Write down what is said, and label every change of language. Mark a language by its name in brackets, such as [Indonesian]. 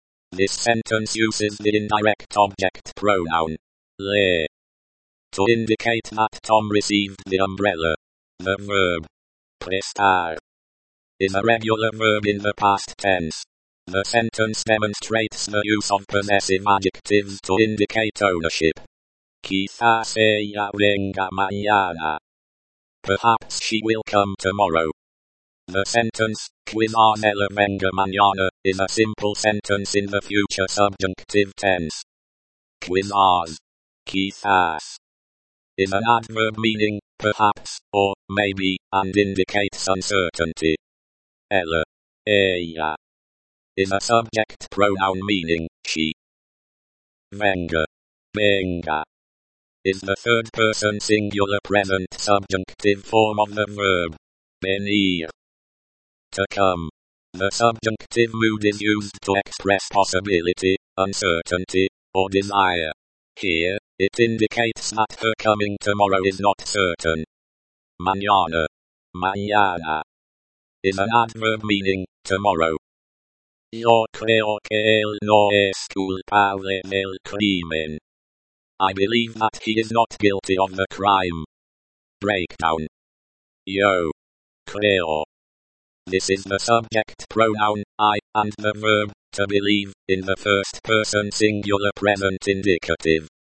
[English] This sentence uses the indirect object pronoun, le. To indicate that Tom received the umbrella. The verb, prestar, is a regular verb in the past tense. The sentence demonstrates the use of possessive adjectives to indicate ownership. [Spanish] Quizás ella venga mañana. [English] Perhaps she will come tomorrow. The sentence, [Spanish] quizás ella venga mañana, [English] is a simple sentence in the future subjunctive tense. Quizás, quizás, is an adverb meaning, perhaps, or, maybe, and indicates uncertainty. Ella, ella, is a subject pronoun meaning, she. Venga, venga, is the third-person singular present subjunctive form of the verb, venir. To come. The subjunctive mood is used to express possibility, uncertainty, or desire. Here, it indicates that her coming tomorrow is not certain. Mañana. Mañana. Is an adverb meaning, tomorrow. [Spanish] Yo creo que él no es culpable del crimen. [English] I believe that he is not guilty of the crime. Breakdown. Yo. Creo. This is the subject pronoun, I, and the verb, to believe, in the first person singular present indicative.